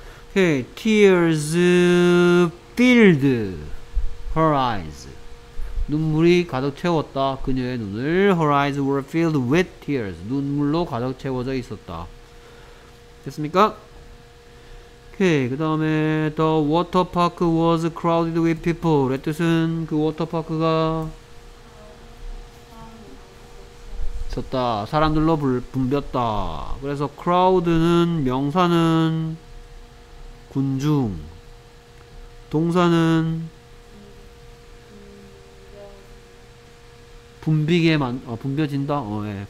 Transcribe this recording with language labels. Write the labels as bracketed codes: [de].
[ko] 오케이. [en] Tears filled her eyes. [ko] 눈물이 가득 채웠다. 그녀의 눈을. [en] Her eyes were filled with tears. [ko] 눈물로 가득 채워져 있었다. 됐습니까? 오케이. 그 다음에 [en] The water park was crowded with people. [ko] 의 뜻은 그 워터파크가 있었다. 사람들로 붐볐다. 그래서 crowd는 명사는 군중, 동사는 붐비게 만, 붐벼진다? 예.